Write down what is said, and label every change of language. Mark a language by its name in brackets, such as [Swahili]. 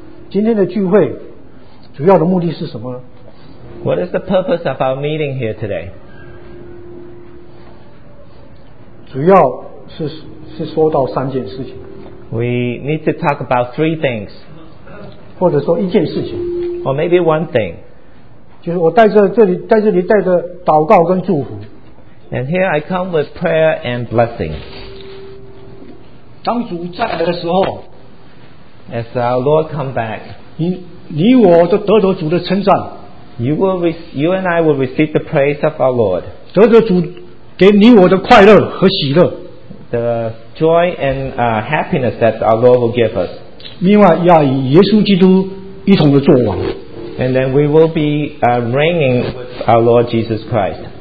[Chinese] 今天的聚会主要的目的是什么？ [English] What is the purpose of our meeting here today? [Chinese] 主要是说到三件事情。 [English] We need to talk about three things. [Chinese] 或者说一件事情。 [English] Or maybe one thing. [Chinese] 就是我在这里带着祷告跟祝福。 [English] And here I come with prayer and blessing. [Chinese] 当主再来的时候， [English] as our Lord come back, [Chinese] 你我都得着主的称赞。 [English] You and I will receive the praise of our Lord. [Chinese] 得着主给你我的快乐和喜乐。 [English] The joy and happiness that our Lord will give us. [Chinese] 另外要以耶稣基督一同的作王。 [English] And then we will be reigning with our Lord Jesus Christ.